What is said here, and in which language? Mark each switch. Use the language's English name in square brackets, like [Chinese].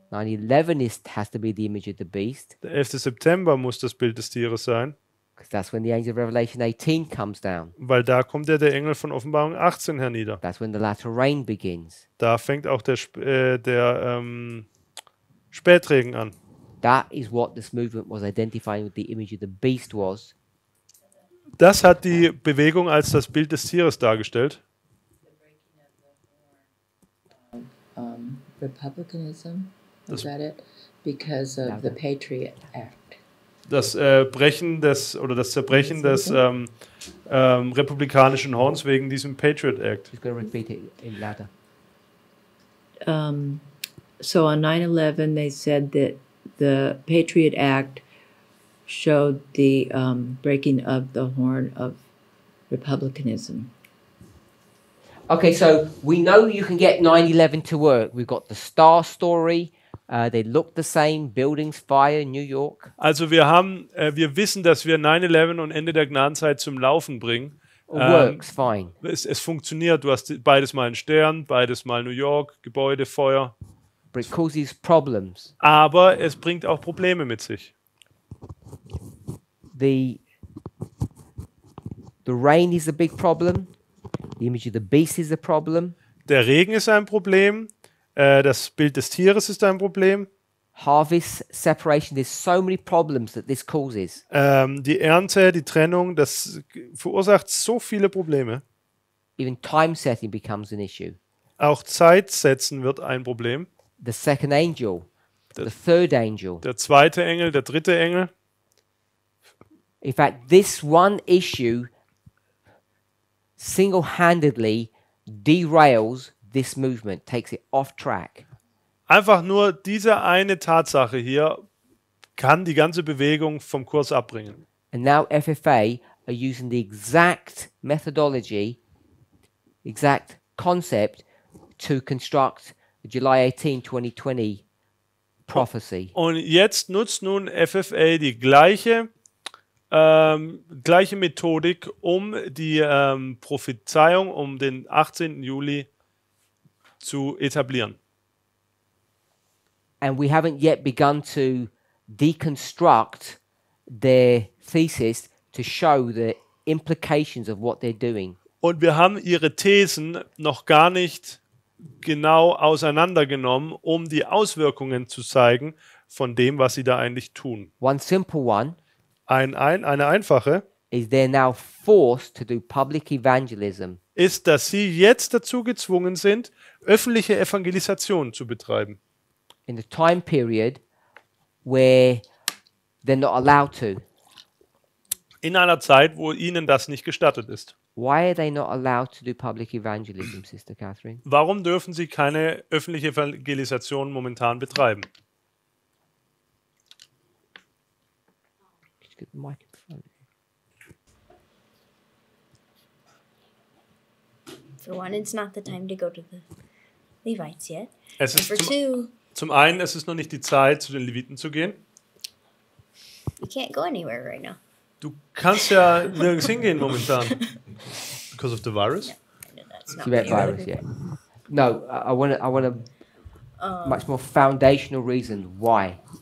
[English] 9/11 has to be the image of the beast. [German] Der 11. September muss das Bild des Tieres sein. [English] Because that's when the angel of Revelation 18 comes down. [German] Weil da kommt der Engel von Offenbarung 18 hernieder. [English] That's when the latter rain begins. [German] Da fängt auch der Spätregen an. [English] That is what this movement was identifying with the image of the beast was. [German] Das hat die Bewegung als das Bild des Tieres dargestellt. [English] Republicanism. Is that it? Because of the Patriot Act. [German] Das Brechen des oder das Zerbrechen des republikanischen Horns wegen diesem Patriot Act. [English] He's going to repeat it in latter. So on 9/11, they said that the Patriot Act showed the breaking of the horn of republicanism. Okay, so we know you can get 9/11 to work. We've got the star story. They look the same. Buildings, fire, New York. [German] Also wir haben, wir wissen, dass wir 9/11 und Ende der Gnadenzeit zum Laufen bringen. [English] Works fine. [German] Es funktioniert. Du hast beides mal einen Stern, beides mal New York, Gebäude, Feuer. [English] But it causes problems. [German] Aber es bringt auch Probleme mit sich. [English] The rain is a big problem. The image of the beast is a problem. [German] Der Regen ist ein Problem. Das Bild des Tieres ist ein Problem. [English] harvest separation. There's so many problems that this causes. [German] Die Ernte, die Trennung, das verursacht so viele Probleme. [English] Even time setting becomes an issue. [German] Auch Zeit setzen wird ein Problem. [English] The second angel, the third angel. [German] Der zweite Engel, der dritte Engel. [English] In fact, this one issue single-handedly derails this movement, takes it off track. [German] Einfach nur diese eine Tatsache hier kann die ganze Bewegung vom Kurs abbringen. [English] And now FFA are using the exact methodology, exact concept to construct the July 18, 2020 prophecy. [German] Und jetzt nutzt nun FFA die gleiche Methodik, um die Prophezeiung um den 18. Juli zu etablieren. [English] And we haven't yet begun to deconstruct their thesis to show the implications of what they're doing. [German] Und wir haben ihre Thesen noch gar nicht genau auseinandergenommen, um die Auswirkungen zu zeigen von dem, was sie da eigentlich tun. [English] One simple one. [German] Eine einfache [English] is they're now forced to do public evangelism. [German] Ist, dass sie jetzt dazu gezwungen sind, öffentliche Evangelisation zu betreiben. [English] In the time period where they're not allowed to. [German] In einer Zeit, wo ihnen das nicht gestattet ist. [English] Why are they not allowed to do public evangelism, Sister Catherine? [German] Warum dürfen sie keine öffentliche Evangelisation momentan betreiben? [English] Get the mic in front. For one, it's not the time to go to the Levites yet. [German] Es ist zum einen, es ist noch nicht die Zeit, zu den Leviten zu gehen. [English] You can't go anywhere right now. [German] Du kannst ja nirgends hingehen momentan. [English] Because of the virus? No, that's not the virus, yeah. No, I want a much more foundational reason why.